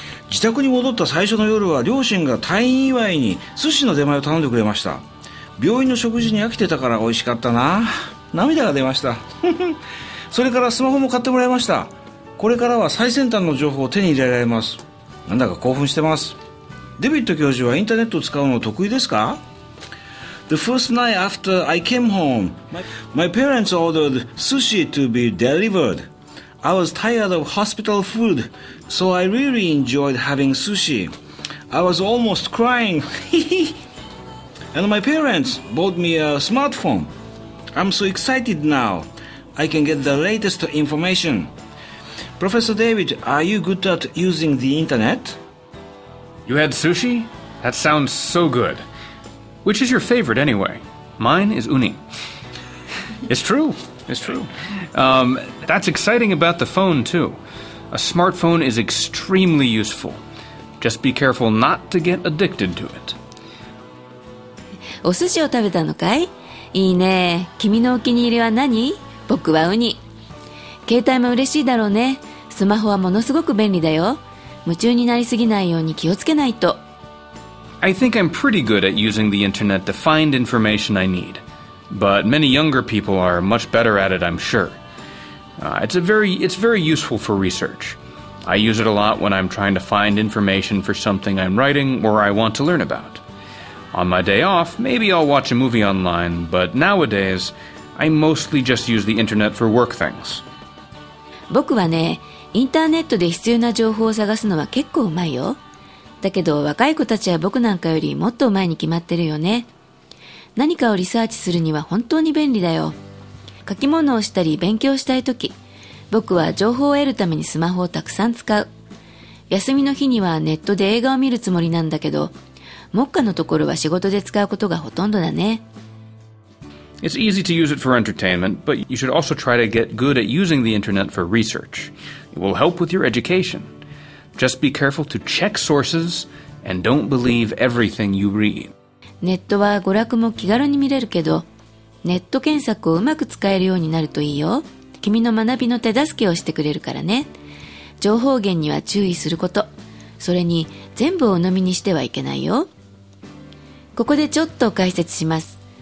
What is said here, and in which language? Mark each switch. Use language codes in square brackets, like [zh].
[ja] 自宅に戻った最初の夜は両親が退院祝いに寿司の出前を頼んでくれました。病院の食事に飽きてたから美味しかったな。涙が出ました。それからスマホも買ってもらいました。これからは最先端の情報を手に入れられます。なんだか興奮してます。デビッド教授はインターネットを使うの得意ですか？ [en] The first night after I came home, my parents ordered sushi to be delivered. I was tired of hospital food, so I really enjoyed having sushi. I was almost crying. And my parents bought me a smartphone. I'm so excited now. I can get the latest information. Professor David, are you good at using the internet? You had sushi? That sounds so good. Which is your favorite anyway? Mine is uni. It's true. That's exciting about the phone, too. A smartphone is extremely useful. Just be careful not to get addicted to it. [ja] お寿司を食べたのかい？いいね。君のお気に入りは何？僕はウニ。携帯も嬉しいだろうね。スマホはものすごく便利だよ。夢中になりすぎないように気をつけないと。 [en] I think I'm pretty good at using the internet to find information I need. But many younger people are much better at it, I'm sure. It's very useful for research. I use it a lot when I'm trying to find information for something I'm writing or I want to learn about. On my day off, maybe I'll watch a movie online, but nowadays, I mostly just use the internet for work things. [ja] 僕はね、インターネットで必要な情報を探すのは結構うまいよ。だけど若い子たちは僕なんかよりもっと前に決まってるよね。何かをリサーチするには本当に便利だよ。書き物をしたり勉強したいとき、僕は情報を得るためにスマホをたくさん使う。休みの日にはネットで映画を見るつもりなんだけど、目下のところは仕事で使うことがほとんどだね。 [en] It's easy to use it for entertainment, but you should also try to get good at using the internet for research. It will help with your education. Just be careful to check sources and don't believe everything you read. [ja] ネットは娯楽も気軽に見れるけど、ネット検索をうまく使えるようになるといいよ。君の学びの手助けをしてくれるからね。情報源には注意すること。それに全部を鵜呑みにしてはいけないよ。ここでちょっと解説します。